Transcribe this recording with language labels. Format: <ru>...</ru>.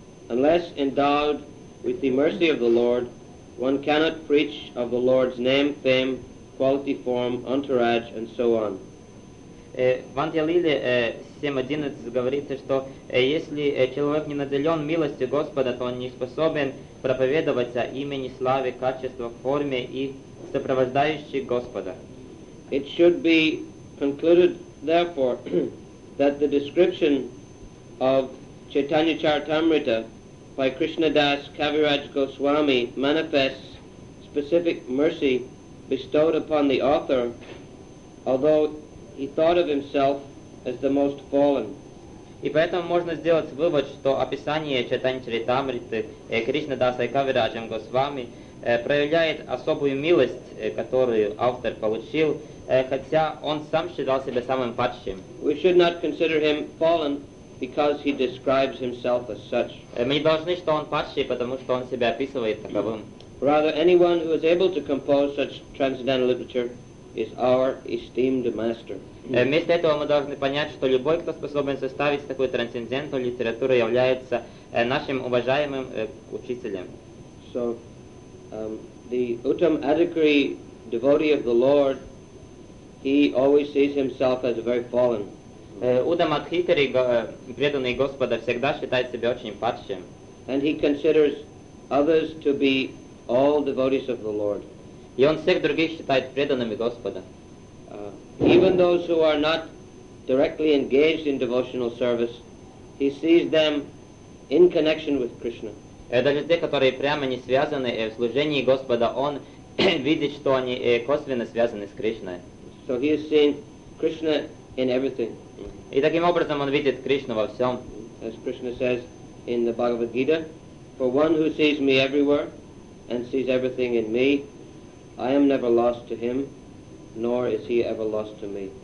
<en>Unless endowed with the mercy of the Lord, one cannot preach of the Lord's name, fame, quality, form, entourage, and so on.</en> <ru>В Анти Лиле 7.11 говорится, что если человек не наделен милостью Господа, то он не способен проповедовать о имени, славе, качествах, форме и сопровождающей Господа.</ru> <en>It should be concluded, therefore, that the description of Chaitanya Charitamrita by Krishna Das Kaviraj Goswami manifests specific mercy bestowed upon the author, although he thought of himself as the most fallen.</en> <ru>И поэтому можно сделать вывод, что описание Чайтаньи Чаритамриты Кришна Даса и Кавираджа Госвами проявляет особую милость, которую автор получил, хотя он сам считал себя самым падшим.</ru> <en>We should not consider him fallen because he describes himself as such.</en> <ru>Мы не должны, что он падший, потому что он себя описывает таковым.</ru> <en>Rather, anyone who is able to compose such transcendental literature is our esteemed master.</en> <ru>Вместо этого мы должны понять, что любой, кто способен составить такую трансцендентную литературу, является нашим уважаемым учителем.</ru> <en>So, the Uttam Adhikari, devotee of the Lord, he always sees himself as very fallen.</en> <ru>Uttam Adhikari, преданный Господа, всегда считает себя очень падшим.</ru> <en>And he considers others to be all devotees of the Lord.</en> <ru>И он всех других считает преданными Господа.</ru> <en>Even those who are not directly engaged in devotional service, he sees them in connection with Krishna.</en> <ru>Даже те, которые прямо не связаны в служении Господа, он видит, что они косвенно связаны с Кришной.</ru> <en>So he has seen Krishna in everything.</en> <ru>И таким образом он видит Кришну во всем.</ru> <en>As Krishna says in the Bhagavad Gita, for one who sees me everywhere and sees everything in me, I am never lost to him, nor is he ever lost to me.</en>